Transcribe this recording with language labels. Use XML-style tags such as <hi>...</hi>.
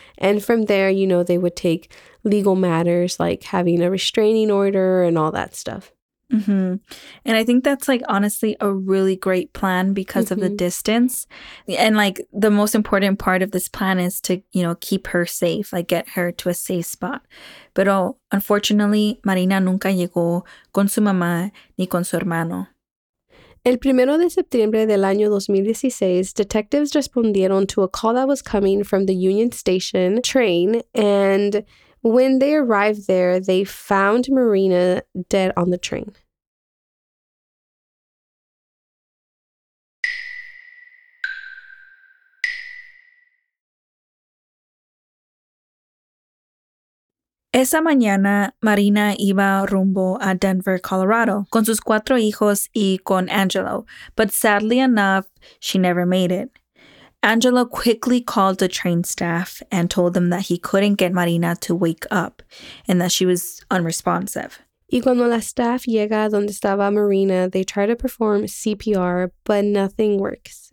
<en>And from there, you know, they would take legal matters like having a restraining order and all that stuff. Mm-hmm. And I think that's like honestly a really great plan because of the distance. And like the most important part of this plan is to, you know, keep her safe, like get her to a safe spot.</en> <es>Pero unfortunately, Marina nunca llegó con su mamá ni con su hermano.</es> <en>El primero de septiembre del año 2016, detectives respondieron to a call that was coming from the Union Station train. And when they arrived there, they found Marina dead on the train.</en> <es>Esa mañana, Marina iba rumbo a Denver, Colorado, con sus cuatro hijos y con Angelo.</es> <en>But sadly enough, she never made it. Angelo quickly called the train staff and told them that he couldn't get Marina to wake up and that she was unresponsive.</en> <es>Y cuando la staff llega donde estaba Marina, they try to perform CPR, but nothing works.</es>